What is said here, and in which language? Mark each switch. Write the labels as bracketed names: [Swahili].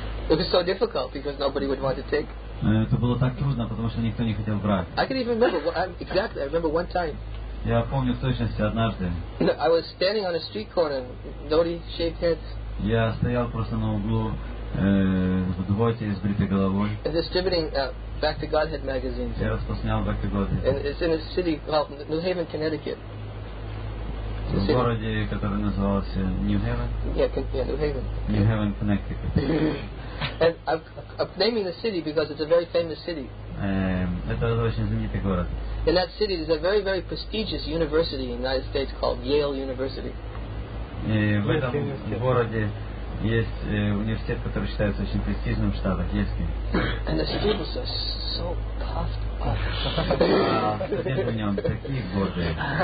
[English] It was so difficult because nobody would want to take. [Russian] Это было так трудно, потому что никто не хотел брать. [English] I can even remember exactly. I remember one time. [Russian] Я помню в точности однажды. [English] I was standing on a street corner, dirty, shaved head. [Russian] Я стоял просто на углу в двойке с бритой головой. [English] And distributing Back to Godhead magazines. [Russian] Я распространял Back to Godhead. [English] And it's in a city called New Haven, Connecticut. [Russian] В городе, который назывался New Haven. [English] New Haven, Connecticut. And I'm naming the city because it's a very famous city. [Russian] Это очень знаменитый город. [English] In that city, there's a very, very prestigious university in the United States called Yale University. [Russian] В этом городе есть университет, который считается очень престижным в штатах, Йейл. [English] And the students are so puffed up. [Russian] А студенты в нем такие гордые.